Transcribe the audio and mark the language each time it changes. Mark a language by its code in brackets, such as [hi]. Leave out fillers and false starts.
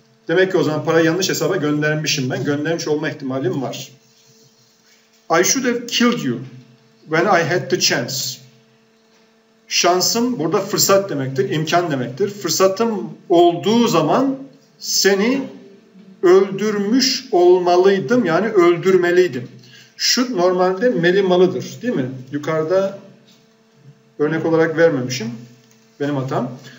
[tr] Demek ki o zaman parayı yanlış hesaba göndermişim ben. Göndermiş olma ihtimalim var. [en] I should have killed you when I had the chance. [tr] Şansım burada fırsat demektir, imkan demektir. Fırsatım olduğu zaman seni öldürmüş olmalıydım, yani öldürmeliydim. Should normalde meli malıdır, değil mi? Yukarıda örnek olarak vermemişim, benim hatam.